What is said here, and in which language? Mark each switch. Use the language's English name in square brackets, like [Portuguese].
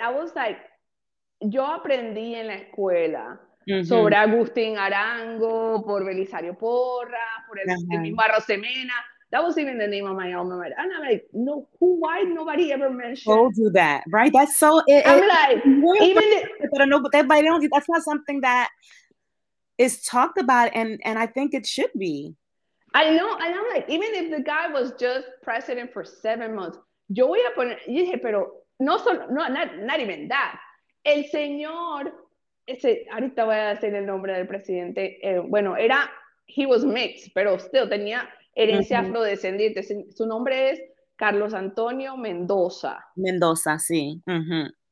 [English] I was like, [Spanish] yo aprendí en la escuela sobre Agustín Arango, por Belisario Porra, por el mismo Arrocemena. [English] That was even the name of my alma mater. And I'm like, no, why nobody ever mentioned? Told you that, right? That's so... That's not something that is talked about, and I think it should be. I know, and I'm like, even if the guy was just president for 7 months, [Spanish] yo voy a poner... Yo dije, pero no solo... [English] No, not even that. [Spanish] El señor... Ese, ahorita voy a decir el nombre del presidente. Bueno, era... [English] He was mixed, [Spanish] pero still tenía... herencia afrodescendiente. Su nombre es Carlos Antonio Mendoza. Mendoza, sí. Uh-huh.